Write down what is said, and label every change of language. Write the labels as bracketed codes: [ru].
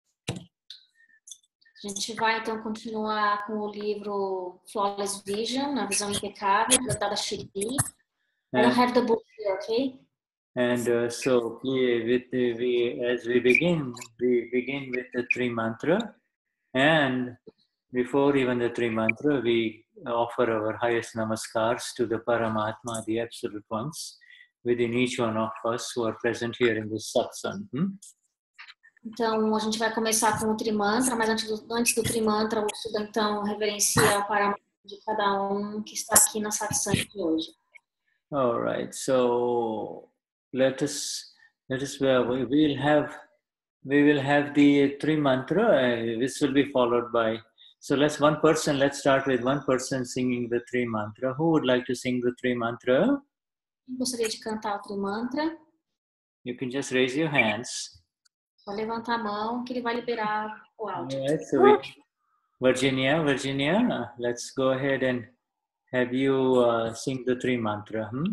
[pt] A gente vai então continuar com o livro Flawless Vision, a visão impecável de Dada Shri. [en] And, I don't have the book here, okay? And so we begin with the three mantra, and before even the three mantra, we offer our highest namaskars to the Paramatma, the Absolute Ones, within each one of us who are present here in this satsang. [pt] Então, a gente vai começar com o Trimantra, mas antes do Trimantra, o Sudantão reverencia o Paramatma de cada um que está aqui na satsang de hoje. [en] All right, so let us, we will have the Trimantra, which will be followed by, so let's start with one person singing the Trimantra. Who would like to sing the Trimantra? [pt] Gostaria de cantar o Trimantra? [en] You can just raise your hands. [pt] Vou levantar a mão que ele vai liberar o áudio. [en] Yes, so Virginia, let's go ahead and have you sing the Trimantra.